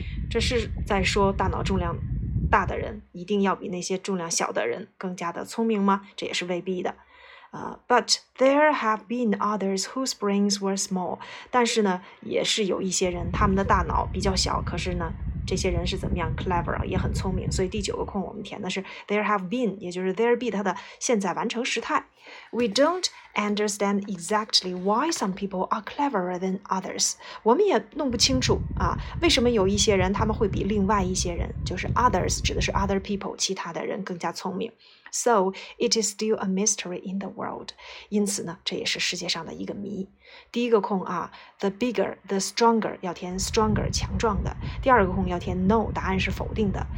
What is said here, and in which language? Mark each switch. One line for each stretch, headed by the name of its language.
Chinese: 这是在说大脑重量大的人一定要比那些重量小的人更加的聪明吗？这也是未必的。
English: But there have been others whose brains were small.
Chinese: 但是呢，也是有一些人他们的大脑比较小，可是呢，这些人是怎么样 clever 也很聪明。所以第九个空我们填的是 there have been，也就是 there be 它的现在完成时态。
English: We don't understand exactly why some people are cleverer than others.
Chinese: 我们也弄不清楚啊，为什么有一些人他们会比另外一些人，就是 others 指的是 other people 其他的人更加聪明。
English: So it is still a mystery in the world.
Chinese: 因此呢，这也是世界上的一个谜。第一个空啊 ，the bigger, the stronger 要填 stronger 强壮的。第二个空要填 no， 答案是否定的。